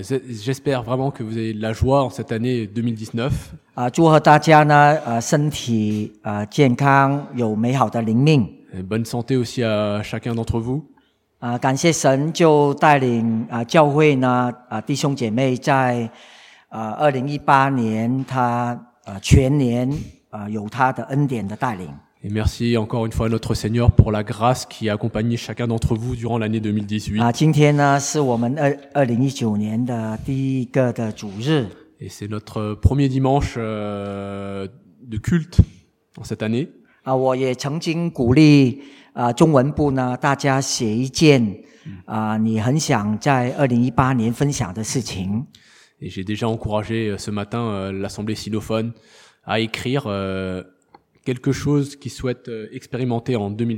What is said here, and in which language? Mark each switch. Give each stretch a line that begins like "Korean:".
French: J'espère vraiment que vous avez de la joie en cette année 2019.
Chinese: 祝贺大家呢，身体健康，有美好的灵命。
French: Bonne santé aussi à chacun d'entre vous.
Chinese: 感谢神就带领教会呢，弟兄姐妹在2018年，他全年有他的恩典的带领。
French: Et merci encore une fois à notre Seigneur pour la grâce qui a accompagné chacun d'entre vous durant l'année 2018.
Chinese: 今天呢是我们2019年的第一个的主日。
French: Et c'est notre premier dimanche de culte en cette année.
Chinese: 我也曾经鼓励中文部呢，大家写一件你很想在2018年分享的事情。
French: Et j'ai déjà encouragé ce matin l'assemblée sinophone à écrire quelque chose qu'ils souhaitent expérimenter en